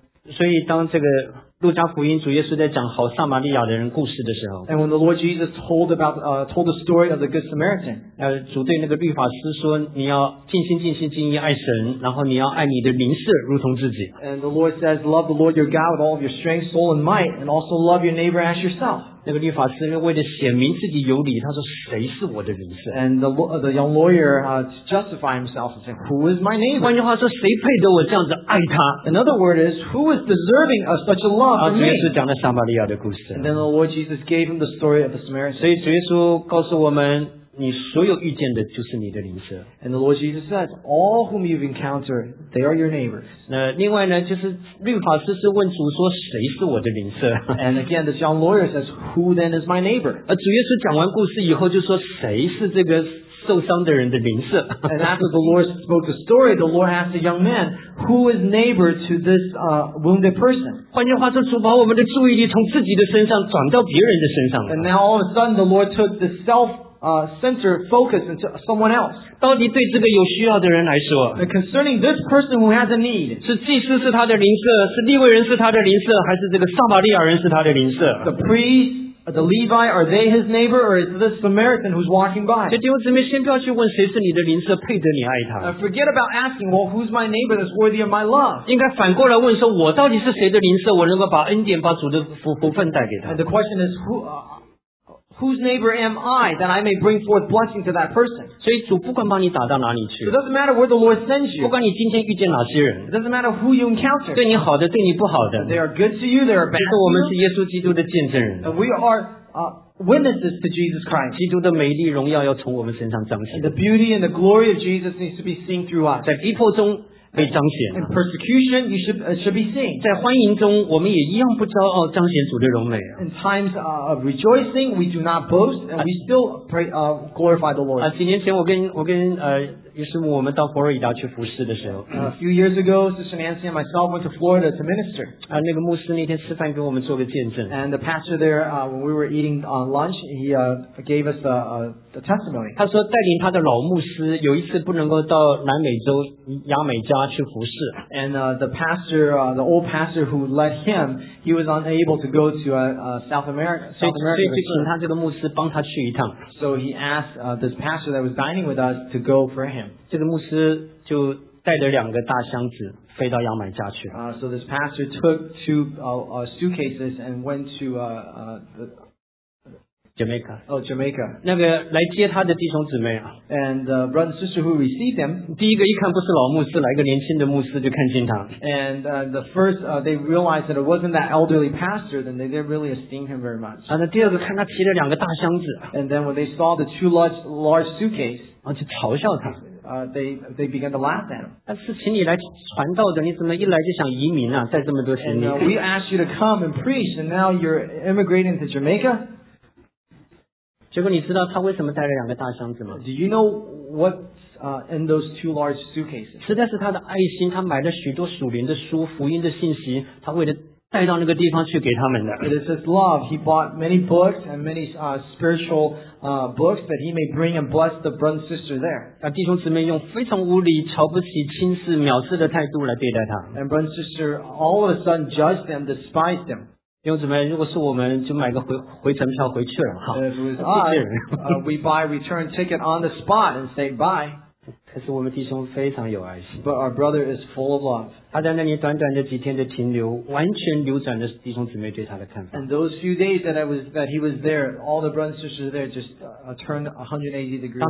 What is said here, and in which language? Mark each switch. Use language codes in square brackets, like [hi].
[zh] 所以当这个路加福音主耶稣在讲好撒玛利亚的人故事的时候 [en] And when the Lord Jesus told the story of the Good Samaritan [zh] 主对那个律法师说你要尽心尽心尽意爱神然后你要爱你的邻舍如同自己 [en] And the Lord says love the Lord your God with all of your strength, soul and might and also love your neighbor as yourself [zh] 那个律法师为了显明自己有理他说谁是我的邻舍 [en] And the young lawyer to justify himself and say, who is my neighbor [zh] 换句话说谁配得我这样子爱他 [en] Another word is who is deserving of such a love [zh] 主耶稣讲了撒玛利亚的故事。 [en] And then the Lord Jesus gave him the story of the Samaritan. [zh] 所以主耶稣告诉我们，你所有遇见的就是你的邻舍。 [en] And the Lord Jesus says, all whom you've encountered, they are your neighbors. [zh] 那另外呢，就是律法师是问主说，谁是我的邻舍 [en] ？And again, the young lawyer says, who then is my neighbor? [zh] 主耶稣讲完故事以后就说，谁是这个？受伤的人的邻舍。 [en] And after the Lord spoke the story, the Lord asked the young man, who is neighbor to this wounded person? [zh] 换句话说，主把我们的注意力从自己的身上转到别人的身上。 [en] And now all of a sudden, the Lord took the self-centered focus into someone else. [zh] 到底对这个有需要的人来说。 [en] And concerning this person who has a need. [zh] 是祭司是他的邻舍，是利未人是他的邻舍，还是这个撒玛利亚人是他的邻舍。 [en] The priest,The Levi, are they his neighbor or is this Samaritan who's walking by? [zh] 弟兄姊妹先不要去问谁是你的邻舍配得你爱他。 [en] Forget about asking, well, who's my neighbor that's worthy of my love? [zh] 应该反过来问说我到底是谁的邻舍我能够把恩典把主的福分带给他。 [en] And the question is, whose neighbor am I that I may bring forth blessing to that person? [zh] 所以主不管把你打到哪里去。 [en] It doesn't matter where the Lord sends you. [zh] 不管你今天遇见哪些人。 [en] It doesn't matter who you encounter. [zh] 对你好的对你不好的。 [en] They are good to you, they are bad to you. [zh] 就是我们是耶稣基督的见证人。 [en] And we are witnesses to Jesus Christ. [zh] 基督的美丽荣耀要从我们身上彰显。 [en] The beauty and the glory of Jesus needs to be seen through us. [zh] 在逼迫中被彰显。 [en] In persecution, you should be seen. [zh] 在欢迎中，我们也一样不骄傲，彰显主的荣美。 [en] In times of rejoicing, we do not boast, and we still pray, glorify the Lord. [zh] 几年前我跟于师母我们到佛罗里达去服侍的时候。 [en] A few years ago, Sister Nancy and myself went to Florida to minister. [zh] 那个牧师那天吃饭给我们做个见证。 [en] And the pastor there, when we were eating lunch, he gave us a testimony. [zh] 他说带领他的老牧师有一次不能够到南美洲牙美加去服侍。 [en] And the pastor, the old pastor who led him, he was unable to go to South America. [zh] 所以就请他这个牧师帮他去一趟。 [en] So he asked this pastor that was dining with us to go for him. [zh] 这个牧师就带着两个大箱子飞到牙买加去。 [en] So this pastor took two suitcases and went to Jamaica. Oh, Jamaica. [zh] 那个来接他的弟兄姊妹啊。 [en] And the brother and sister who received them. [zh] 第一个一看不是老牧师，来个年轻的牧师就看见他。 [en] And the first they realized that it wasn't that elderly pastor, then they didn't really esteem him very much. [zh] 那第二个看他提了两个大箱子。 [en] And then when they saw the two large suitcases. [zh] 去嘲笑他。 [en] They began to laugh at him. [zh] 是请你来传道的，你怎么一来就想移民啊？带这么多钱。 [en] And we asked you to come and preach, and now you're immigrating to Jamaica. [zh] 结果你知道他为什么带了两个大箱子吗 [en] ？Do you know what's in those two large suitcases? [zh] 实在是他的爱心，他买了许多属灵的书、福音的信息，他为了。带到那个地方去给他们的。 [en] It is his love. He bought many books and many spiritual books that he may bring and bless the brother and sister there. [zh] 那弟兄姊妹用非常无理、瞧不起、轻视、藐视的态度来对待他。 [en] And brother and sister all of a sudden judged them, despised them. [zh] 弟兄姊妹，如果是我们，就买个回程票回去了哈。 [en] we buy return ticket on the spot and say bye. [zh] 可是我们弟兄非常有爱心。 [en] But our brother is full of love. [zh] 他在那里短短的几天的停留，完全扭转了弟兄姊妹对他的看法。 [en] And those few days that he was there, all the brothers and sisters there just turned 180 degrees.